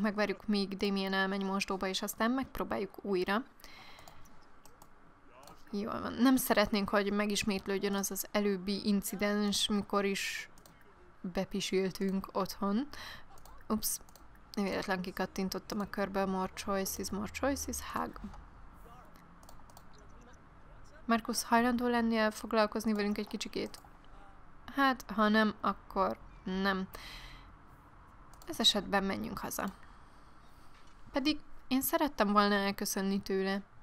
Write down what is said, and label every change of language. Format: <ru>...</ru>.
<hu>Megvárjuk, míg Damien elmegy mosdóba, és aztán megpróbáljuk újra. Jól van. Nem szeretnénk, hogy megismétlődjön az az előbbi incidens, mikor is bepisültünk otthon. Ups, véletlen kikattintottam a körbe.</hu> <en>More choices, more choices, hug.</en> <hu>Markus, hajlandó lennél foglalkozni velünk egy kicsikét? Hát, ha nem, akkor nem. Ez esetben menjünk haza. Pedig én szerettem volna elköszönni tőle.</hu>